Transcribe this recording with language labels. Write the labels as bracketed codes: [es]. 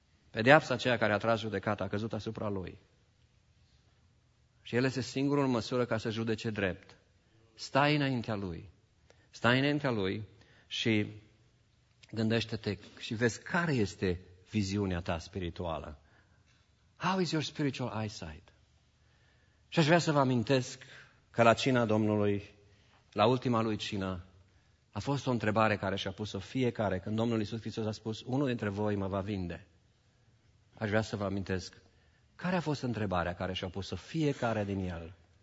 [ro] Pedeapsa aceea care a tras judecata a căzut asupra Lui. Și El este singurul în măsură ca să judece drept. Stai înaintea Lui. Stai înaintea Lui și gândește-te și vezi care este viziunea ta spirituală. [en] How is your spiritual eyesight? [ro] Și aș vrea să vă amintesc că la cina Domnului, la ultima lui cină, a fost o întrebare care și-a pus-o fiecare când Domnul Iisus Hristos a spus, unul dintre voi mă va vinde. Aș vrea să vă amintesc, care a fost întrebarea care și-a pus-o fiecare din el?